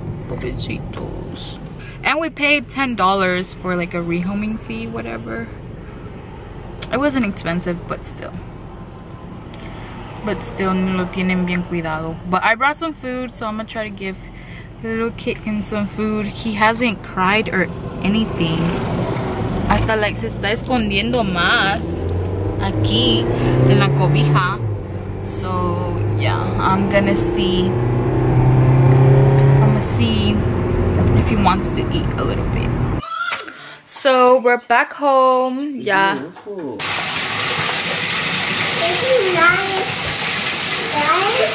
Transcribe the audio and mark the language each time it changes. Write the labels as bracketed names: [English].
[English] Pobrecitos. And we paid $10 for like a rehoming fee, whatever. It wasn't expensive, but still, [Spanish] no lo tienen bien cuidado. [English] But I brought some food, so I'm gonna try to give the little kitten some food. He hasn't cried or anything. [Spanish] Hasta like se está escondiendo más aquí en la cobija. [English] So yeah, I'm gonna see if he wants to eat a little bit. So we're back home. Yeah. This is nice. Nice.